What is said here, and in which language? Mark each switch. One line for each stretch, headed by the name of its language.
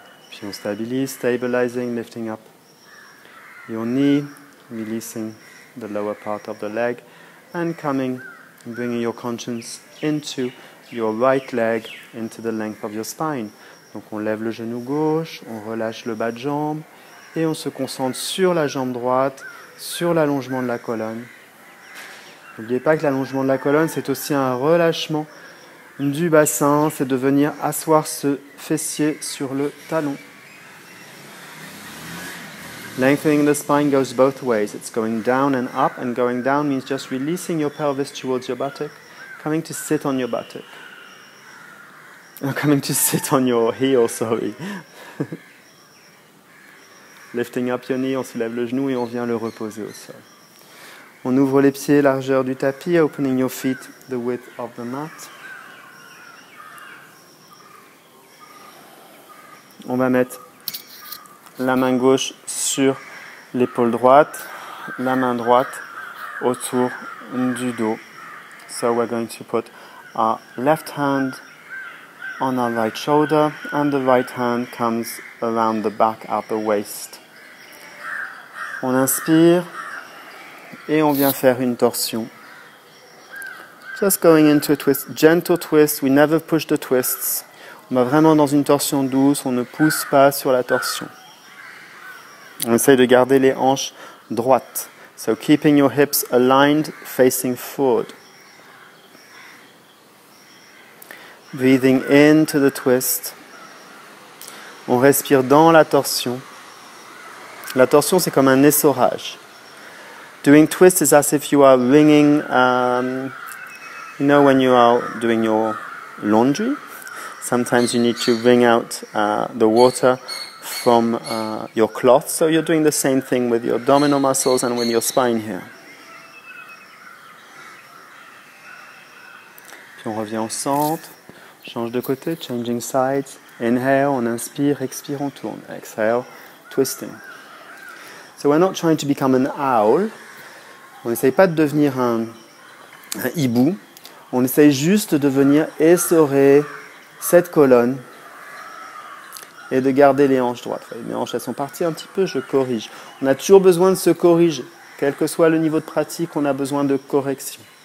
French: Puis on stabilise,
English: stabilizing, lifting up your knee, releasing the lower part of the leg, and coming, bringing your conscience into your right leg, into the length of your spine.
French: Donc on lève le genou gauche, on relâche le bas de jambe, et on se concentre sur la jambe droite, sur l'allongement de la colonne. N'oubliez pas que l'allongement de la colonne, c'est aussi un relâchement du bassin, c'est de venir asseoir ce fessier sur le talon.
English: Lengthening the spine goes both ways. It's going down and up, and going down means just releasing your pelvis towards your buttock, coming to sit on your buttock. Coming to sit on your heel, sorry. Lifting up your knee,
French: on soulève le genou et on vient le reposer au sol. On ouvre les pieds, largeur du tapis,
English: opening your feet, the width of the mat.
French: On va mettre la main gauche sur l'épaule droite, la main droite autour du dos.
English: So we're going to put our left hand on our right shoulder and the right hand comes around the back at the waist.
French: On inspire et on vient faire une torsion.
English: Just going into a twist, gentle twist, we never push the twists.
French: On va vraiment dans une torsion douce, on ne pousse pas sur la torsion. On essaye de garder les hanches droites.
English: So keeping your hips aligned, facing forward. Breathing into the twist.
French: On respire dans la torsion. La torsion, c'est comme un essorage.
English: Doing twists is as if you are wringing, you know when you are doing your laundry? Sometimes you need to wring out the water from your cloth. So you're doing the same thing with your abdominal muscles and with your spine here.
French: Puis on revient au centre, change de côté,
English: changing sides. Inhale,
French: on inspire, expire, on tourne.
English: Exhale, twisting. So we're not trying to become an owl.
French: On n'essaye pas de devenir un hibou. On essaye juste de venir essorer cette colonne et de garder les hanches droites. Enfin, mes hanches, elles sont parties un petit peu, je corrige. On a toujours besoin de se corriger. Quel que soit le niveau de pratique, on a besoin de correction.